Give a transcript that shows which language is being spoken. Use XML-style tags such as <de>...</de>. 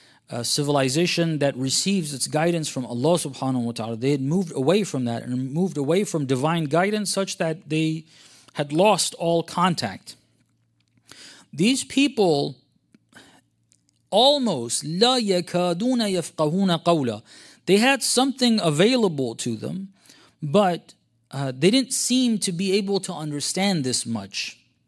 <en>A civilization that receives its guidance from Allah subhanahu wa ta'ala. They had moved away from that and moved away from divine guidance such that they had lost all contact. These people almost,</en> <ar>لَا يَكَادُونَ يَفْقَهُونَ قَوْلًا.</ar> <en>They had something available to them, but they didn't seem to be able to understand this much.</en>